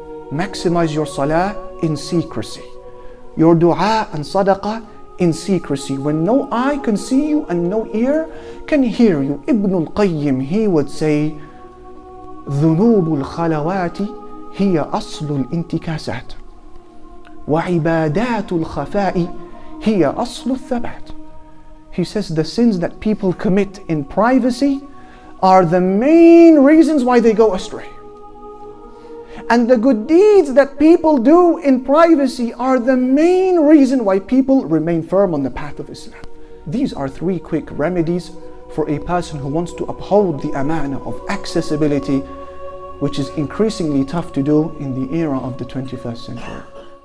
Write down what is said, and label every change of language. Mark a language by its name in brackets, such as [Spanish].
[English] Maximize your salah in secrecy, your dua and sadaqah in secrecy, when no eye can see you and no ear can hear you. Ibn al-Qayyim, he would say, [Arabic] ذنوب الخلوات هي أصل الانتكاسات وعبادات الخفاء هي أصل الثبات. [English] He says the sins that people commit in privacy are the main reasons why they go astray. And the good deeds that people do in privacy are the main reason why people remain firm on the path of Islam. These are three quick remedies for a person who wants to uphold the amana of accessibility, which is increasingly tough to do in the era of the 21st century.